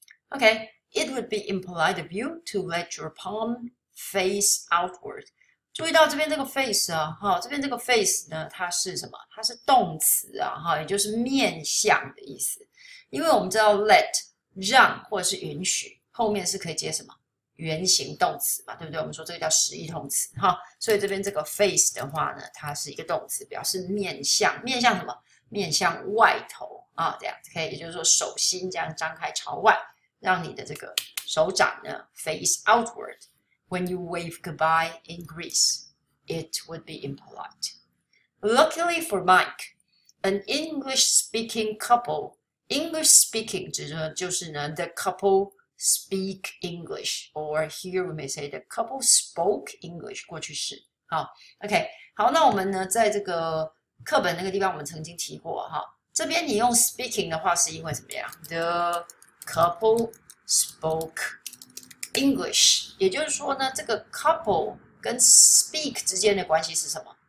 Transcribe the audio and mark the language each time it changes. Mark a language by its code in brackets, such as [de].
[en] OK, it would be impolite of you to let your palm face outward. [zh] 注意到这边这个 face 啊哈，这边这个 face 呢，它是什么？它是动词啊哈，也就是面向的意思。因为我们知道 let 让或者是允许后面是可以接什么原形动词嘛，对不对？我们说这个叫实义动词哈。所以这边这个 face 的话呢，它是一个动词，表示面向，面向什么？面向外头啊，这样可以，也就是说手心这样张开朝外，让你的这个手掌呢 [en] face outward。 When you wave goodbye in Greece, it would be impolite. Luckily for Mike, an English-speaking couple. English-speaking [zh] 指的就是呢 [en] the couple speak English, or here we may say the couple spoke English. [zh] 过去式。好 ，OK， 好，那我们呢，在这个课本那个地方，我们曾经提过哈。这边你用 speaking 的话，是因为怎么样 ？ [en] The couple spoke English， [zh] 也就是说呢，这个 couple 跟 speak 之间的关系是什么？